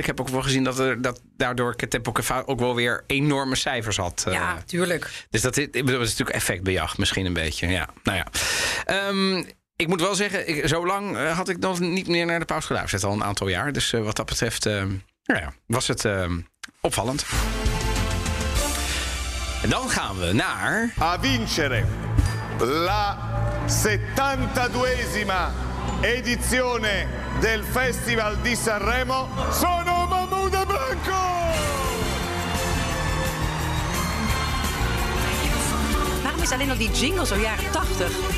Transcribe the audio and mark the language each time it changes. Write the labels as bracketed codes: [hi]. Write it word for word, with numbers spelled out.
[nl] Ik heb ook wel gezien dat, er, dat daardoor Tempo Cavà ook wel weer enorme cijfers had. Ja, uh, tuurlijk. Dus dat is, dat is natuurlijk effectbejag misschien een beetje. Ja, nou ja. Um, ik moet wel zeggen, ik, zo lang uh, had ik nog niet meer naar de paus geluisterd. Al een aantal jaar. Dus uh, wat dat betreft uh, nou ja, was het uh, opvallend. En dan gaan we naar... [it] A vincere la settantaduesima edizione del Festival di Sanremo sono Mahmood Blanco! [nl] Waarom is alleen al die jingle zo jaren tachtig?